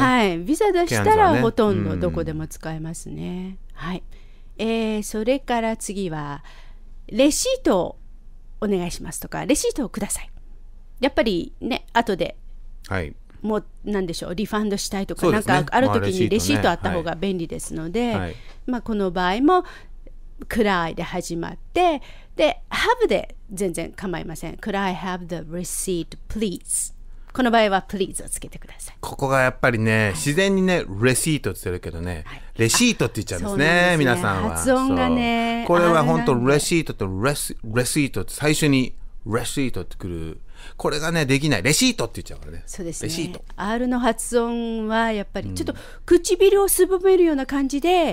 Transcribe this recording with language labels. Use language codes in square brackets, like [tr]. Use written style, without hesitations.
[ja] はい、ビザ出したらほとんどどこでも使えますね、うん、はい、それから次はレシートをお願いしますとか、レシートをください、やっぱりね、後で、はい、もう何でしょう、リファンドしたいとか、ね、なんかあるときにレシートあった方が便利ですので、はい、まあ、この場合も Could I で始まって、で Have で全然構いません。 [en] Could I have the receipt please、 [ja] この場合は please をつけてください。ここがやっぱりね、自然にね、レシートって言ってるけどね、はい、レシートって言っちゃうんです ね、ですね、皆さんは発音がね、これは本当レシートとレシートって最初にレシートってくる、これがね、できない。レシートって言っちゃうからね。そうですね。レシート。 R の発音はやっぱりちょっと唇をすぼめるような感じで、